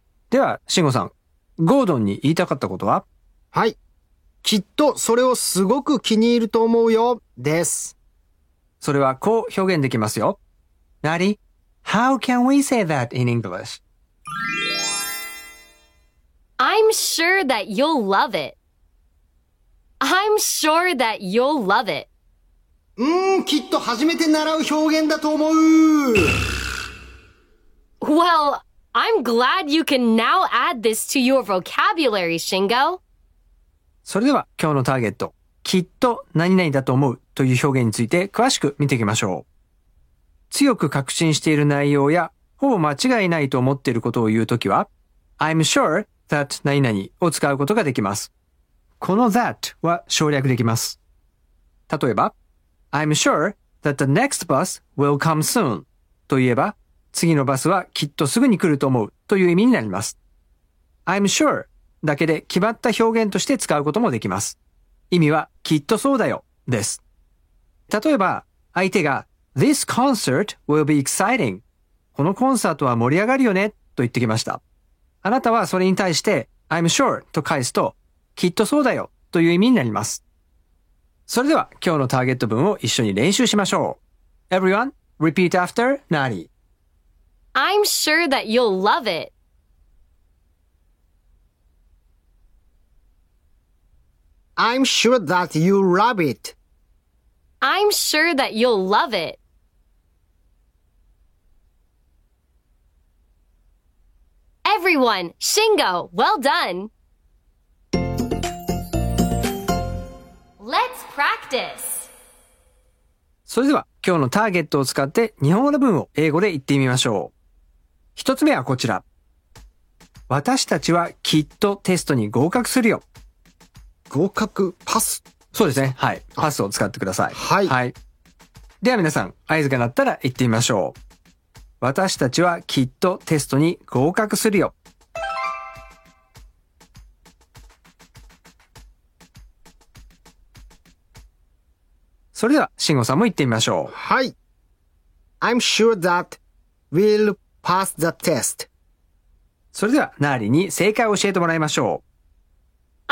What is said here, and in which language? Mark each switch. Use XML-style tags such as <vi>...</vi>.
<ja>では、慎吾さん、ゴードンに言いたかったことは？はい。きっとそれをすごく気に入ると思うよ、です。それはこう表現できますよ。</ja> <en>Nari, how can we say that in English? I'm sure that you'll love it. I'm sure that you'll love it.</en> <ja>きっと初めて習う表現だと思う。</ja> <en>Well, I'm glad you can now add this to your vocabulary, Shingo.</en> <ja>それでは今日のターゲット、きっと何々だと思うという表現について詳しく見ていきましょう。強く確信している内容やほぼ間違いないと思っていることを言うときは、</ja> <en>I'm sure.</en> <ja>That 何々を使うことができます。この that は省略できます。例えば、</ja> <en>I'm sure that the next bus will come soon</en> <ja>と言えば、次のバスはきっとすぐに来ると思うという意味になります。 I'm sure だけで決まった表現として使うこともできます。意味はきっとそうだよです。例えば、相手が</ja> <en>This concert will be exciting</en> <ja>このコンサートは盛り上がるよねと言ってきました。あなたはそれに対して I'm sure と返すときっとそうだよという意味になります。それでは今日のターゲット文を一緒に練習しましょう。</ja> <en>Everyone, repeat after Nari. I'm sure that you'll love it. I'm sure that you'll love it. I'm sure that you'll love it. Everyone, Shingo, well done! Let's practice!</en> <ja>それでは今日のターゲットを使って日本語の文を英語で言ってみましょう。一つ目はこちら。私たちはきっとテストに合格するよ。合格？パス？そうですね。はい。パスを使ってください。はい。はい。では皆さん、合図が鳴ったら言ってみましょう。私たちはきっとテストに合格するよ。それでは、慎吾さんも言ってみましょう。はい。</ja> <en>I'm sure that we'll pass the test.</en> <ja>それでは、ナーリに正解を教えてもらいましょう。</ja>